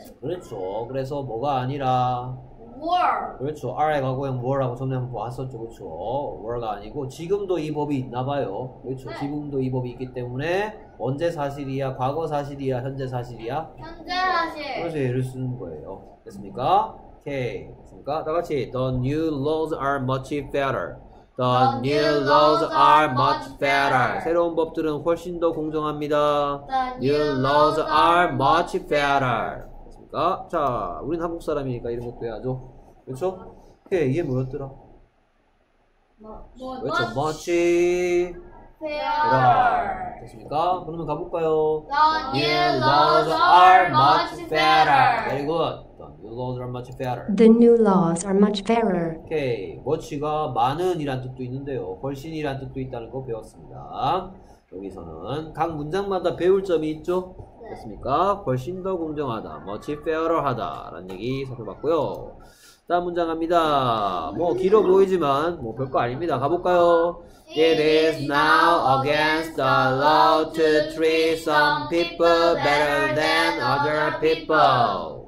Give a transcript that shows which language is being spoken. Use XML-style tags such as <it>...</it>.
<ko>그렇죠. 그래서 뭐가 아니라</ko> <en>were.</en> <ko>그렇죠. are가 그냥 were라고 성장하면 왔었죠. 그렇죠. were가 아니고 지금도 이 법이 있나 봐요. 그렇죠. 네. 지금도 이 법이 있기 때문에 언제 사실이야? 과거 사실이야? 현재 사실이야? 현재 사실. 그래서 예를 쓰는 거예요. 됐습니까? Okay. 됐습니까? 다 같이</ko> <en>The new laws are much better. The new laws are much better.</en> <ko>새로운 법들은 훨씬 더 공정합니다.</ko> <en>The new laws are much better.</en> <ko>됐습니까? 자, 우린 한국 사람이니까 이런 것도 해야죠. 그렇죠? 오케이, 이게 뭐였더라?</ko> <en>Much. Much. Fairer.</en> <ko>됐습니까? 그러면 가볼까요?</ko> <en>The new laws are much fairer. Very good. The new laws are much fairer. The new laws are much fairer.</en> <ko>Okay. Much가 많은이란 뜻도 있는데요. 훨씬이란 뜻도 있다는 거 배웠습니다. 여기서는 각 문장마다 배울 점이 있죠? 됐습니까? 훨씬 더 공정하다. Much fairer 하다라는 얘기 살펴봤고요. 다음 문장 갑니다. 뭐 길어 보이지만 뭐 별거 아닙니다. 가볼까요?</ko> <en>It is now against the law to treat some people better than other people.</en>